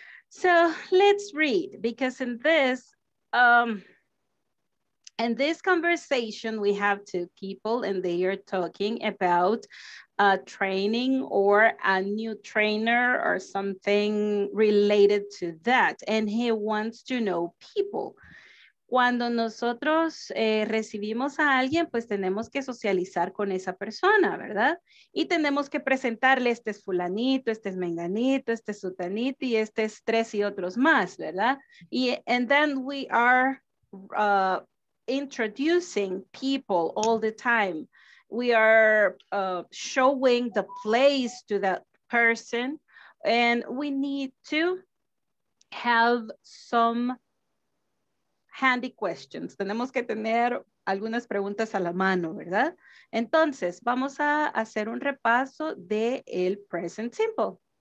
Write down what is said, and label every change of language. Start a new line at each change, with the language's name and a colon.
English: So let's read, because in this conversation we have two people and they are talking about a training or a new trainer or something related to that, and he wants to know people.
Spanish: Cuando nosotros recibimos a alguien, pues tenemos que socializar con esa persona, ¿verdad? Y tenemos que presentarle, este es fulanito, este es menganito, este es sutanito, y este es tres y otros más, ¿verdad?
English: Y and then we are introducing people all the time. We are showing the place to that person, and we need to have some handy questions.
Spanish: Tenemos que tener algunas preguntas a la mano, ¿verdad? Entonces, vamos a hacer un repaso de el present simple.